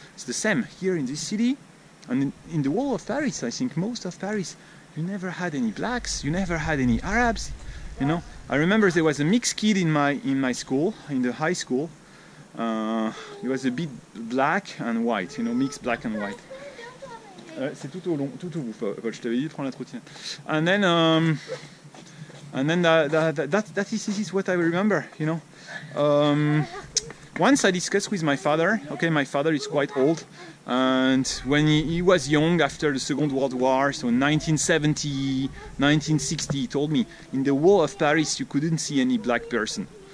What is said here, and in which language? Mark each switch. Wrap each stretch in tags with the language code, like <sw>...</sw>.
<en>It's the same here in this city. And in the whole of Paris, I think most of Paris, you never had any blacks, you never had any Arabs, you know. I remember there was a mixed kid in my school, in the high school. He was a bit black and white, you know, mixed black and white.</en> <fr>C'est tout au long, tout au bout, Paul, je t'avais dit de prendre la trottinette.</fr> <en>And then this is what I remember, you know. Once I discussed with my father, okay, my father is quite old, and when he was young after the Second World War, so 1970, 1960, he told me, in the wall of Paris, you couldn't see any black person.</en>